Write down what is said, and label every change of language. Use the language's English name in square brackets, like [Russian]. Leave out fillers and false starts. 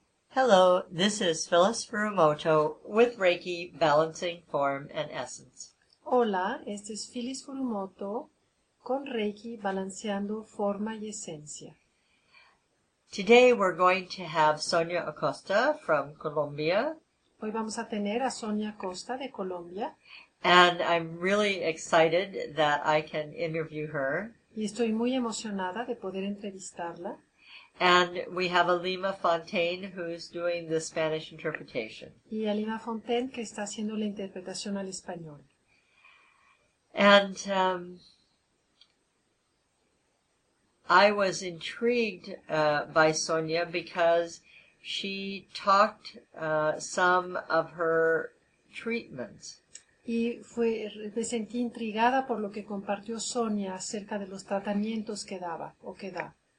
[English] Hello, this is Phyllis Furumoto with Reiki Balancing Form and Essence. [Spanish] Hola, este es Phyllis Furumoto con Reiki Balanceando Forma y Esencia. [English] Today we're going to have Sonia Acosta from Colombia. [Spanish] Hoy vamos a tener a Sonia Acosta de Colombia. [English] And I'm really excited that I can interview her. [Spanish] Y estoy muy emocionada de poder entrevistarla. [English] And we have Alima Fontaine, who's doing the Spanish interpretation. [Spanish] Y Alima Fontaine, que está haciendo la interpretación al español. [English] And I was intrigued by Sonia because she talked some of her treatments. [Spanish] Y me sentí intrigada por lo que compartió Sonia acerca de los tratamientos que daba o que da.